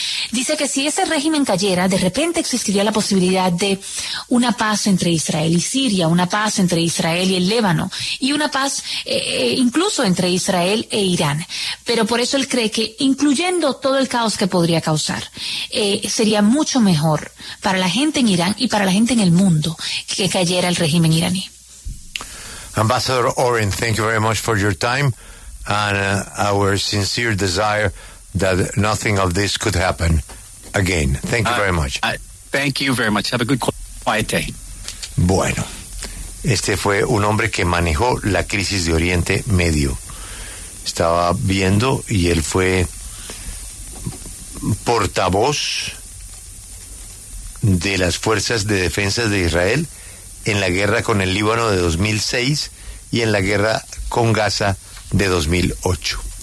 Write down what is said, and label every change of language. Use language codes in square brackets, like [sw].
[es] dice que si ese régimen cayera, de repente existiría la posibilidad de una paz entre Israel y Siria, una paz entre Israel y el Líbano, y una paz incluso entre Israel e Irán. Pero por eso él cree que, incluyendo todo el caos que podría causar, sería mucho mejor para la gente en Irán y para la gente en el mundo que cayera el régimen iraní. [en] Ambassador Oren, thank you very much for your time and our sincere desire that nothing of this could happen again. Thank you very much. Thank you very much. Have a good quiet day. [es] Bueno, este fue un hombre que manejó la crisis de Oriente Medio. Estaba viendo y él fue portavoz de las fuerzas de defensa de Israel en la guerra con el Líbano de 2006 y en la guerra con Gaza de 2008.